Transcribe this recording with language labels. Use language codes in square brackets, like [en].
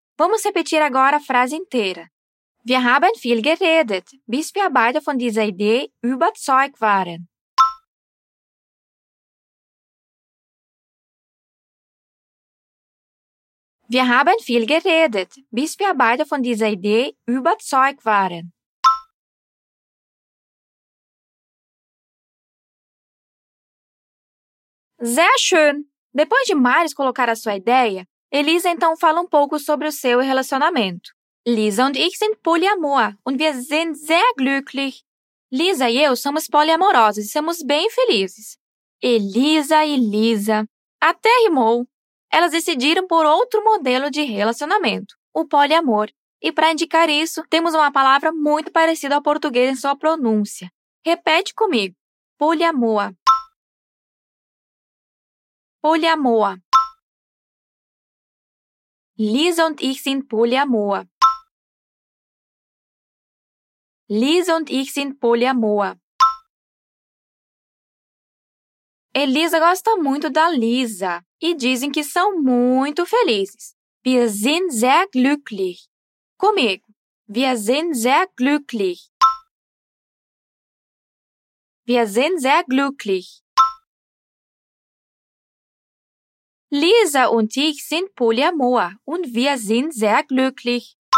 [pt] Vamos repetir agora a frase inteira. [de] Wir haben viel geredet, bis wir beide von dieser Idee überzeugt waren. Wir haben viel geredet, bis wir beide von dieser Idee überzeugt waren. Sehr schön! [pt] Depois de Marius colocar a sua ideia, Elisa então fala um pouco sobre o seu relacionamento. [de] Lisa und ich sind polyamor und wir sind sehr glücklich. [pt] Lisa e eu somos poliamorosos e somos bem felizes. Elisa e Lisa. Até rimou! Elas decidiram por outro modelo de relacionamento, o poliamor. E para indicar isso, temos uma palavra muito parecida ao português em sua pronúncia. Repete comigo. Poliamor. Poliamor. [de] Lisa und ich sind poliamor. Lisa und ich sind poliamor. [pt] Elisa gosta muito da Lisa e dizem que são muito felizes. [de] Wir sind sehr glücklich. [pt] Comigo. [de] Wir sind sehr glücklich. Wir sind sehr glücklich. Lisa und ich sind poliamor und wir sind sehr glücklich.